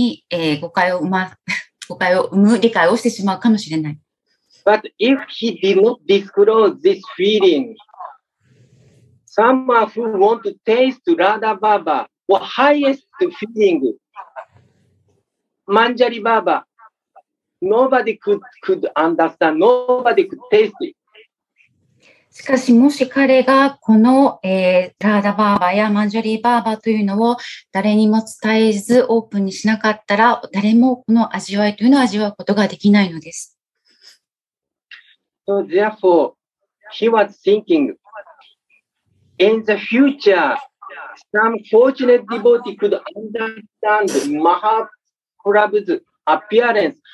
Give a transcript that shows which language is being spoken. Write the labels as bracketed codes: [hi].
[ja] 誤解を生む理解をしてしまうかもしれない。 [en] But if he did not disclose this feeling, someone who want to taste Radha Baba, or highest feeling, Manjari Baba, nobody could understand, nobody could taste it. [ja] しかしもし彼がこの、ラーダバーバやマンジャリーバーバというのを誰にも伝えずオープンにしなかったら誰もこの味わいというのを味わうことができないのです。 [en] So therefore, he was thinking, in the future, some fortunate devotee could understand Mahaprabhu's appearance.